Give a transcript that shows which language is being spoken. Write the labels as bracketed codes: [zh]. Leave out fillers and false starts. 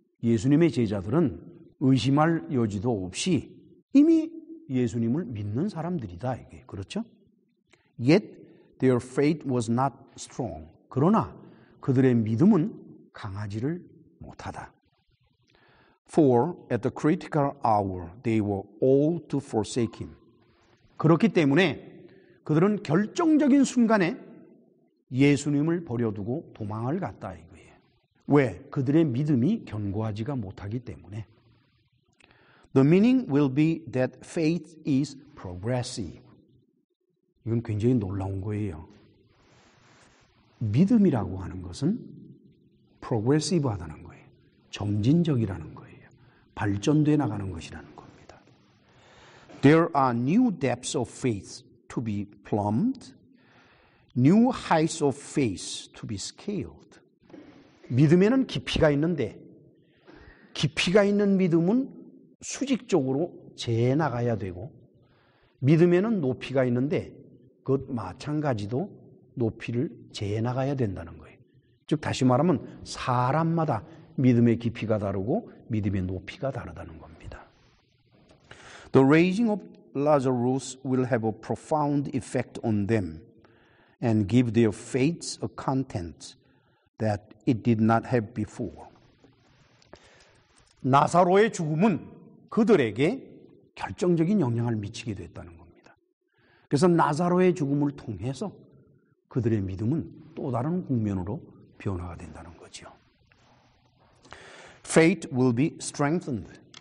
[ko] 예수님의 제자들은 의심할 여지도 없이 이미 예수님을 믿는 사람들이다. 이게 그렇죠? [en] Yet their faith was not strong. [ko] 그러나 그들의 믿음은 강하지를 못하다. [en] For at the critical hour, they were all to forsake him. [ko] 그렇기 때문에 그들은 결정적인 순간에 예수님을 버려두고 도망을 갔다 이거예요. 왜? 그들의 믿음이 견고하지가 못하기 때문에. [en] The meaning will be that faith is progressive. [ko] 이건 굉장히 놀라운 거예요. 믿음이라고 하는 것은 progressive하다는 거예요. 점진적이라는 거예요. 발전돼 나가는 것이라는 겁니다. [en] There are new depths of faith to be plumbed. New heights of faith to be scaled. [ko] 믿음에는 깊이가 있는데 깊이가 있는 믿음은 수직적으로 재나가야 되고 믿음에는 높이가 있는데 그것 마찬가지도 높이를 재나가야 된다는 거예요. 즉 다시 말하면 사람마다 믿음의 깊이가 다르고 믿음의 높이가 다르다는 겁니다. [en] The raising of Lazarus will have a profound effect on them. And give their faiths a content that it did not have before. [ko] 나사로의 죽음은 그들에게 결정적인 영향을 미치게 됐다는 겁니다. 그래서 나사로의 죽음을 통해서 그들의 믿음은 또 다른 국면으로 변화가 된다는 거죠. [en] Faith will be strengthened.